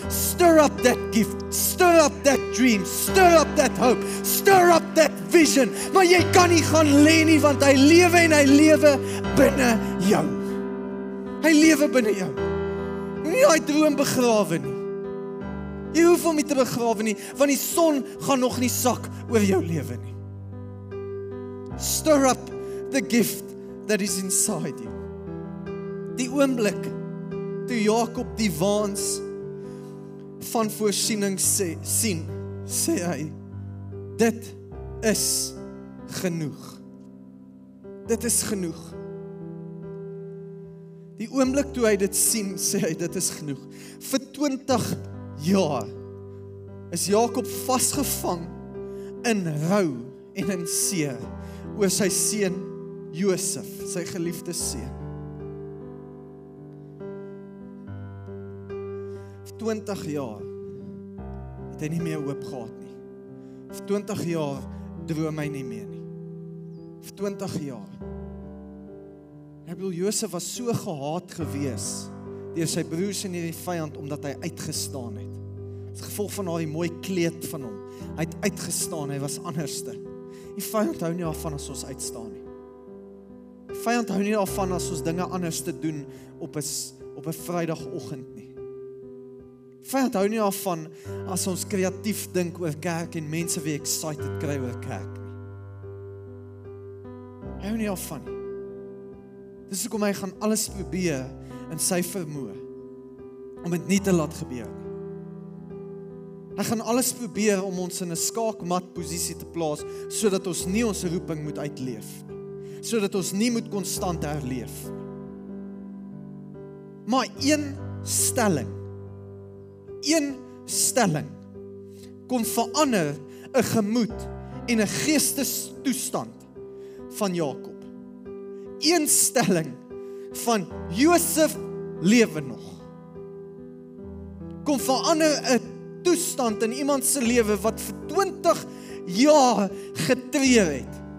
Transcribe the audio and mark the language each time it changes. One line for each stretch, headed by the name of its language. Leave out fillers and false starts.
English: Stir up that gift, stir up that dream, stir up that hope, stir up that vision.
Afrikaans: Maar jy kan nie gaan lê nie, want hy lewe en hy lewe binne jou. Hy lewe binne jou. Nie hy droom begrawe nie. Jy hoef hom nie te begrawe nie, want die son gaan nog nie sak oor jou lewe nie.
English: Stir up the gift that is inside you.
Afrikaans: die oomblik toe Jakob die waans van voorsiening sien, sê hy, dit is genoeg. Dit is genoeg. Die oomblik toe hy dit sien, sê hy, dit is genoeg. Vir 20 jaar is Jakob vasgevang in rou en in seer oor sy seun Josef, sy geliefde seun. 20 jaar het hy nie meer hoop gehad nie. 20 jaar droom hy nie meer nie. 20 jaar. Ek bedoel, Josef was so gehaat gewees deur sy broers en hierdie vyand, omdat hy uitgestaan het. As gevolg van haar die mooi kleed van hom. Hy het uitgestaan, hy was anderste. Die vyand hou nie daarvan as ons uitstaan nie. Die vyand hou nie daarvan as ons dinge anderste doen op 'n vrydagoggend nie. Die vyand hou nie daarvan as ons kreatief dink oor kerk en mense wie excited kry oor kerk nie. Hy hou nie daarvan nie. Dis hoekom hy gaan alles probeer in sy vermoë om dit nie te laat gebeur nie. Hy gaan alles probeer om ons in 'n skaakmat posisie te plaas sodat ons nie ons roeping moet uitleef nie. Sodat ons nie moet konstant herleef nie. Maar een stelling kon verander 'n gemoed en 'n geestestoestand van Jakob. Een stelling van Josef lewe nog. Kom verander 'n toestand in iemand se lewe wat vir 20 jaar getreur het.